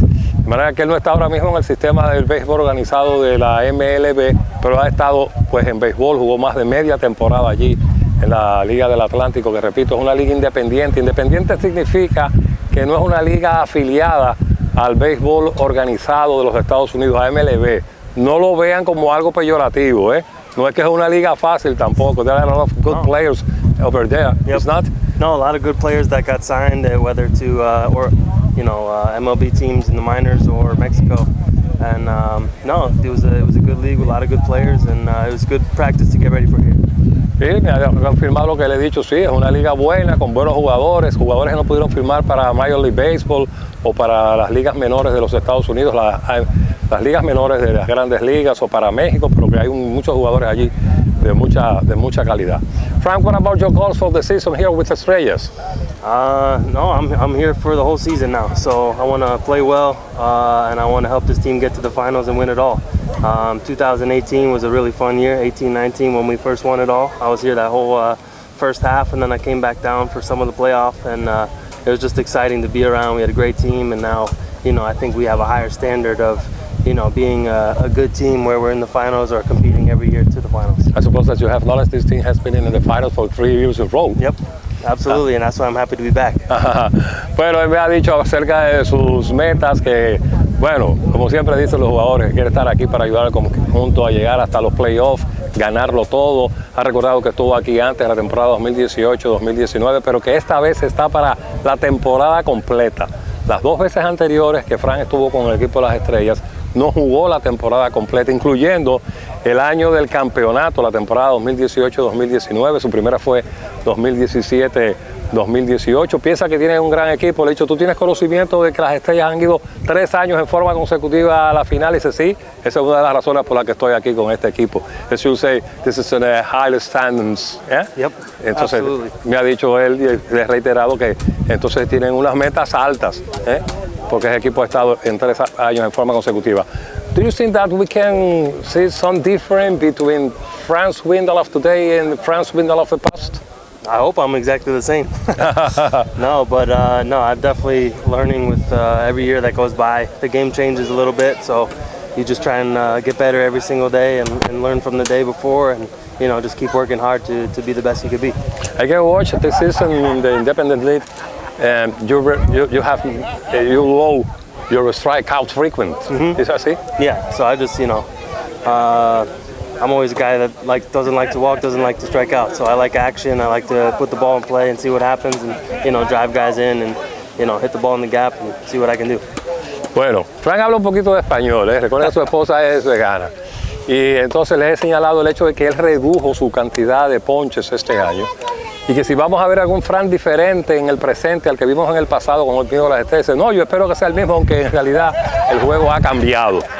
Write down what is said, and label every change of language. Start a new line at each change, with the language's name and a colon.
Spanish: De manera que él no está ahora mismo en el sistema del béisbol organizado de la MLB, pero ha estado pues en béisbol, jugó más de media temporada allí en la Liga del Atlántico, que repito, es una liga independiente. Independiente significa que no es una liga afiliada al béisbol organizado de los Estados Unidos, a MLB. No lo vean como algo peyorativo, ¿eh? No es que es una liga fácil tampoco.
English: There are a lot of good players over there, yep. It's not? No, a lot of good players that got signed, whether to MLB teams in the minors or Mexico. And it was a good league with a lot of good players, and it was good practice to get ready for here.
Spanish: Sí, me ha confirmado lo que le he dicho. Sí, es una liga buena, con buenos jugadores, jugadores que no pudieron firmar para Major League Baseball o para las ligas menores de los Estados Unidos, las ligas menores de las grandes ligas o para México, pero que hay muchos jugadores allí de mucha calidad.
English: Frank, what about your goals for the season here with Estrellas? I'm here for the whole season now, so I want to play well, and I want to help this team get to the finals and win it all. 2018 was a really fun year, 18-19, when we first won it all. I was here that whole first half, and then I came back down for some of the playoff, and it was just exciting to be around. We had a great team, and now, you know, I think we have a higher standard of, you know, being a good team where we're in the finals or competing every year to the finals. I suppose that you have noticed this team has been in the finals for 3 years in a row. Yep, absolutely, and that's why I'm happy to be back.
Spanish: Bueno, me ha dicho acerca de sus metas que, bueno, como siempre dicen los jugadores, quiere estar aquí para ayudar al conjunto a llegar hasta los playoffs, ganarlo todo. Ha recordado que estuvo aquí antes, en la temporada 2018-2019, pero que esta vez está para la temporada completa. Las dos veces anteriores que Frank estuvo con el equipo de las Estrellas, no jugó la temporada completa, incluyendo el año del campeonato, la temporada 2018-2019. Su primera fue 2017-2018. Piensa que tiene un gran equipo. Le he dicho, ¿tú tienes conocimiento de que las Estrellas han ido 3 años en forma consecutiva a la final? Y dice, sí, esa es una de las razones por las que estoy aquí con este equipo.
English: As you say, this is in a high standards, ¿eh? Yep,
Spanish: entonces,
English: absolutely.
Spanish: Me ha dicho él y le he reiterado que entonces tienen unas metas altas, ¿eh? Porque el equipo ha estado en 3 años en forma consecutiva.
English: Do you think that we can see some difference between Frank Swindle of today and Frank Swindle of the past? I hope I'm exactly the same. No, I'm definitely learning with every year that goes by. The game changes a little bit, so you just try and get better every single day and learn from the day before, and you know, just keep working hard to be the best you could be. I can watch this season in the Independent League. You low your strikeout frequent. Mm-hmm. Is that see? Yeah. So I just, you know, I'm always a guy that like doesn't like to walk, doesn't like to strike out. So I like action. I like to put the ball in play and see what happens, and you know, drive guys in and you know, hit the ball in the gap and see what I can do.
Spanish: Bueno, Frank habla un poquito de español. Recuerda que su esposa es vegana. Y entonces le he señalado el hecho de que él redujo su cantidad de ponches este año. Y que si vamos a ver algún Fran diferente en el presente al que vimos en el pasado con el Pino de las Estrellas, no, yo espero que sea el mismo, aunque en realidad el juego ha cambiado.